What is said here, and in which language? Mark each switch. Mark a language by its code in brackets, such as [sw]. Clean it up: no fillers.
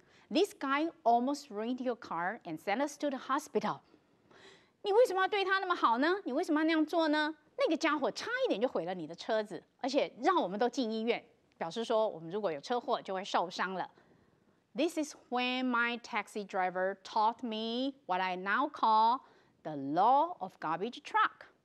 [en] This guy almost ruined your car and sent us to the hospital。 [zh] 你为什么要对他那么好呢？你为什么要那样做呢？那个家伙差一点就毁了你的车子，而且让我们都进医院，表示说我们如果有车祸就会受伤了。 [en] This is when my taxi driver taught me what I now call the law of garbage truck。